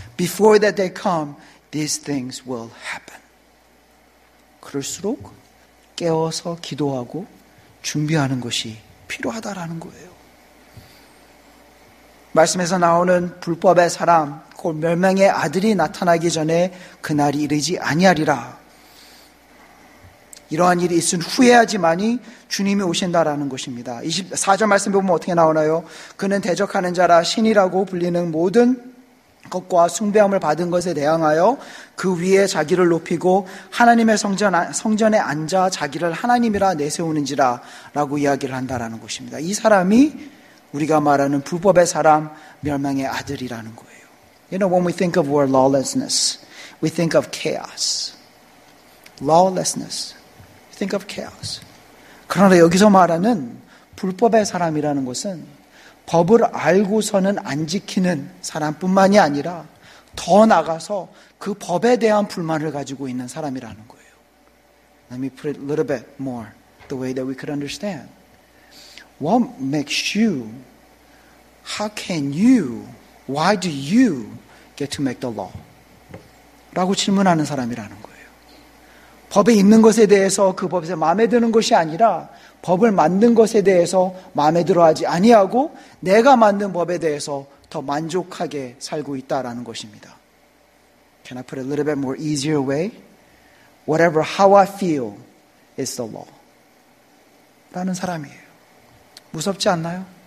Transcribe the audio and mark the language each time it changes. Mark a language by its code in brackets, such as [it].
[en] Before that they come, these things will happen. [ko] 그럴수록 깨워서 기도하고 준비하는 것이 필요하다라는 거예요. 말씀에서 나오는 불법의 사람, 곧 멸망의 아들이 나타나기 전에 그날이 이르지 아니하리라. 이러한 일이 있은 후에야지만이 주님이 오신다라는 것입니다. 24절 말씀 보면 어떻게 나오나요? 그는 대적하는 자라 신이라고 불리는 모든 것과 숭배함을 받은 것에 대항하여 그 위에 자기를 높이고 하나님의 성전에 앉아 자기를 하나님이라 내세우는지라 라고 이야기를 한다라는 것입니다. 이 사람이 우리가 말하는 불법의 사람, 멸망의 아들이라는 거예요. [en] You know, when we think of word lawlessness, we think of chaos. Lawlessness. Think of chaos. [ko] 그러나 여기서 말하는 불법의 사람이라는 것은 법을 알고서는 안 지키는 사람뿐만이 아니라 더 나아가서 그 법에 대한 불만을 가지고 있는 사람이라는 거예요. [en] Let me put it a little bit more the way that we could understand. What makes you, how can you, Why do you get to make the law? [ko] 라고 질문하는 사람이라는 거예요. 법에 있는 것에 대해서 그 법에서 마음에 드는 것이 아니라 법을 만든 것에 대해서 마음에 들어하지 아니하고 내가 만든 법에 대해서 더 만족하게 살고 있다라는 것입니다. [en] Can I put it a little bit more easier way? Whatever how I feel is the law. [ko] 라는 사람이에요. 무섭지 않나요?